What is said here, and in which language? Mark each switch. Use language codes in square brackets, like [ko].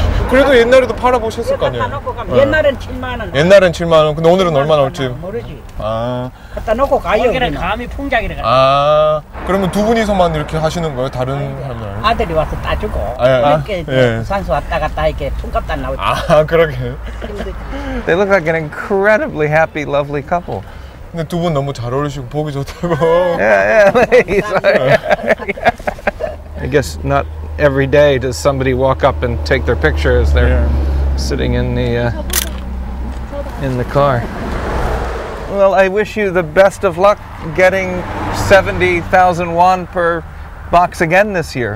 [ko] 그래도 옛날에도 팔아보셨을 거 아니에요? 네. 옛날엔 7만 원. 옛날엔 7만 원. 근데 오늘은 얼마 나올지. 모르지. 아. 갖다 놓고 가요. 거기는 감이 풍작이래. 아. 그러면 두 분이서만 이렇게 하시는 거예요? 다른 사람들은? 아들이 와서 따주고. 아, 이렇게 아, 예. 산소 왔다 갔다 이렇게 통값단 나오지. 아, 그러게. [en] They look like an incredibly happy, lovely couple. [ko] 근데 두 분 너무 잘 어울리시고 보기 좋다고. [en] Yeah, yeah. I guess not every day does somebody walk up and take their picture as they're sitting in the car. Well, I wish you the best of luck getting 70,000 won per box again this year.